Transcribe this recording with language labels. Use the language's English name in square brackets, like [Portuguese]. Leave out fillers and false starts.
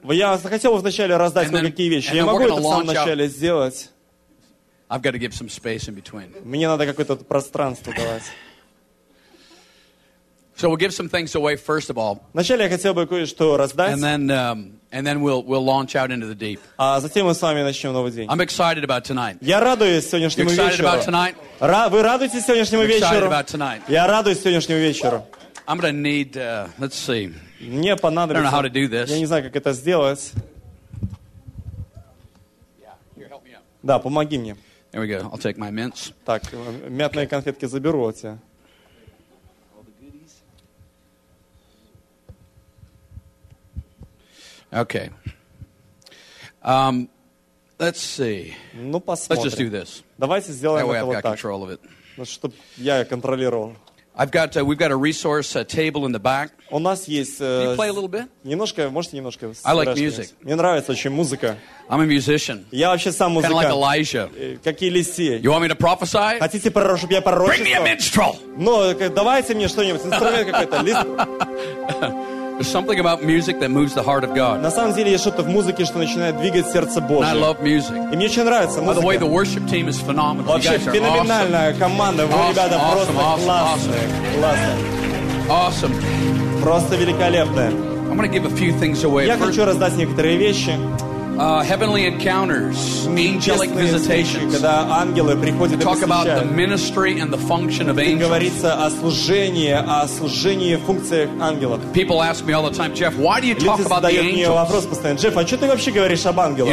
[Russian] Я хотел бы вначале раздать кое-какие вещи. Я могу это в самом начале сделать. [English] I've got to give some space in between. [Russian] Мне надо какое-то пространство давать. [English] So we'll give some things away first of all. [Russian] Вначале я хотел бы кое-что раздать. [English] And then we'll launch out into the deep. [Russian] А затем мы с вами начнем новый день. [English] I'm excited about tonight. [Russian] Я радуюсь сегодняшнему вечеру. [English] Excited about tonight. [Russian] Вы радуетесь сегодняшнему вечеру? [English] Excited about tonight. [Russian] Я радуюсь сегодняшнему вечеру. [English] I'm going to need. Let's see. [Russian] Мне понадобится. [English] I don't know how to do this. [Russian] Я не знаю, как это сделать. [English] Yeah, here, help me out. [Russian] Да, помоги мне. [English] There we go. I'll take my mints. [Russian] Так, мятные конфетки заберу от тебя. [English] Okay. Let's see. [Russian] Ну, посмотрим. [English] Let's just do this. [Russian] Давайте сделаем [English] that [Russian] это вот так. [English] That way I've got control of it. [Russian] Ну, чтоб я контролировал. [English] I've got, we've got a resource, a table in the back. [Russian] У нас есть... [English] Can you play a little bit? [Russian] Немножко, можете немножко... [English] I like music. [Russian] Мне нравится очень музыка. [English] I'm a musician. [Russian] Я вообще сам музыкант. [English] Kind of like Elijah. [Russian] Как Елисей. [English] You want me to prophesy? [Russian] Хотите, чтобы я пророчествовал? [English] Bring me a minstrel! [Russian] Ну, давайте мне что-нибудь, инструмент какой-то. [English] There's something about music that moves the heart of God. [Russian] На самом деле, есть что-то в музыке, что начинает двигать сердце Божие. [English] And I love music. [Russian] И мне очень нравится музыка. [English] By the way, the worship team is phenomenal. [Russian] Вообще, феноменальная [English] awesome. [Russian] Команда. Вы, [English] awesome, [Russian] ребята, [English] awesome, [Russian] просто [English] awesome, [Russian] классные. [English] Awesome. Awesome. [Russian] Просто великолепные. [English] I'm going to give a few things away. [Russian] Я хочу раздать некоторые вещи. [English] Heavenly encounters, angelic visitations. [Russian] Когда ангелы приходят и посещают. [English] Talk about the ministry and the function of angels. [Russian] Говорится о служении, функциях ангелов. [English] People ask me all the time, Jeff, why do you talk about the angels? [Russian] Мне вопрос постоянно, Джефф, а что ты вообще говоришь об ангелах?